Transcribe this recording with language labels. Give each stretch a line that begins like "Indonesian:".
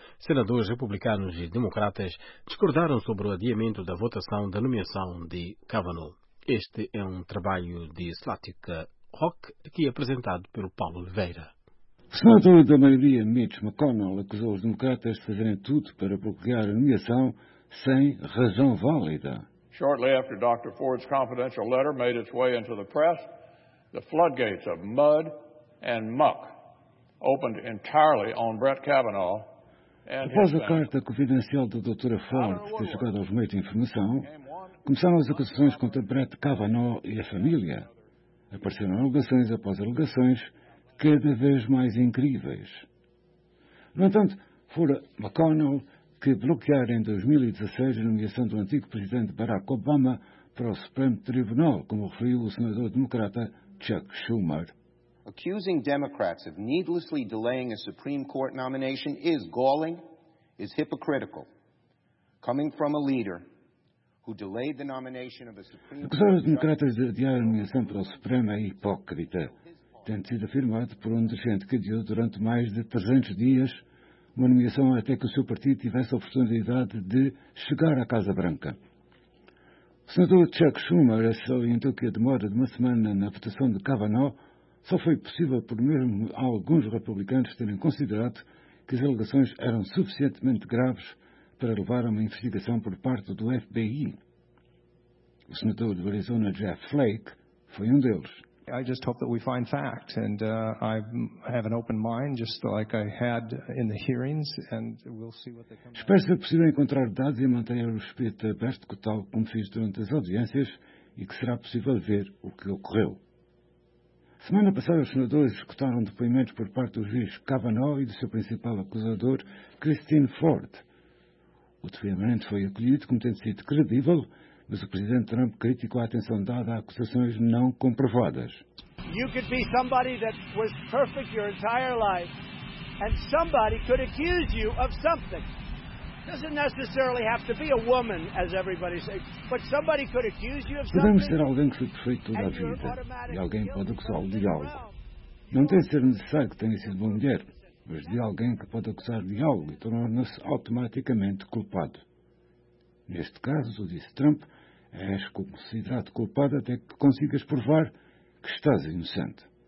Portuguese: Senadores republicanos e democratas discordaram sobre o adiamento da votação da nomeação de Kavanaugh. Este é um trabalho de Slatica Rock, aqui apresentado pelo Paulo Oliveira. O senador da maioria, Mitch McConnell, acusou os democratas de fazerem tudo para bloquear a nomeação sem razão válida.
English: Shortly after Dr. Ford's confidential letter made its way into the press, the floodgates of mud and muck opened entirely on Brett Kavanaugh.
Portuguese: Após a carta confidencial da Dra. Ford ter chegado aos meios de informação, começaram as acusações contra Brett Kavanaugh e a família. Apareceram alegações após alegações, cada vez mais incríveis. No entanto, fora McConnell que bloquearam em 2016 a nomeação do antigo presidente Barack Obama para o Supremo Tribunal, como referiu o senador democrata Chuck Schumer.
English: Accusing Democrats of needlessly delaying a Supreme Court nomination is galling, is hypocritical. Coming from a leader who delayed the nomination of a Supreme Court.
Portuguese: Acusar os democratas de adiar a nomeação para o Supremo é hipócrita, tendo sido afirmado por um dirigente que adiou durante mais de 300 dias uma nomeação até que o seu partido tivesse a oportunidade de chegar à Casa Branca. O senador Chuck Schumer salientou que a demora de uma semana na votação de Kavanaugh só foi possível por mesmo alguns republicanos terem considerado que as alegações eram suficientemente graves para levar a uma investigação por parte do FBI. O senador do Arizona, Jeff Flake, foi um deles.
English: I just hope that we find fact, and I have an open mind, just like I had in the hearings, and we'll see what they come.
Portuguese: Espero ser possível encontrar dados e manter o espírito aberto, tal como fiz durante as audiências, e que será possível ver o que ocorreu. Semana passada, os senadores escutaram depoimentos por parte do juiz Kavanaugh e do seu principal acusador, Christine Ford. O depoimento foi acolhido como tendo sido credível, mas o presidente Trump criticou a atenção dada a acusações não comprovadas.
English: You could be somebody that was perfect your entire life, and somebody could accuse you of something. Doesn't necessarily have to be a woman, as everybody says, but somebody could accuse you of something.
Portuguese: Podemos ser alguém que foi perfeito toda a vida, e alguém pode acusá-lo de algo. Não tem de ser necessário que tenha sido uma mulher, mas de alguém que pode acusar de algo e tornar-se automaticamente culpado. Neste caso, o disse Trump, és considerado culpado até que consigas provar que estás inocente.